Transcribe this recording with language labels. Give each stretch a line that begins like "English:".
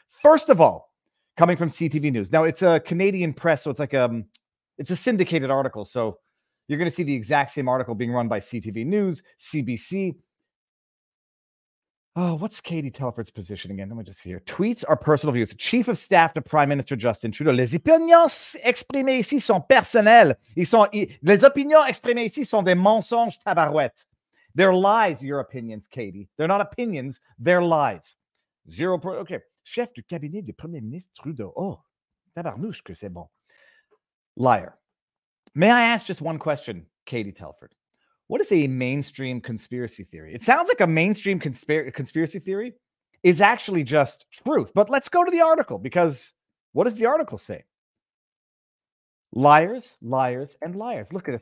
English: First of all, coming from CTV News. Now, it's a Canadian press, so it's like it's a syndicated article. So you're going to see the exact same article being run by CTV News, CBC. Oh, what's Katie Telford's position again? Let me just see here. Tweets are personal views. Chief of staff to Prime Minister Justin Trudeau.
French: Les opinions exprimées ici sont personnelles. Les opinions exprimées ici sont des mensonges tabarouettes.
English: They're lies, your opinions, Katie. They're not opinions, they're lies. Zero point. Okay.
French: Chef du cabinet du premier ministre Trudeau. Oh, tabarnouche que c'est bon. Liar.
English: May I ask just one question, Katie Telford? What is a mainstream conspiracy theory? It sounds like a mainstream conspiracy theory is actually just truth. But let's go to the article because what does the article say? Liars, liars, and liars. Look at this.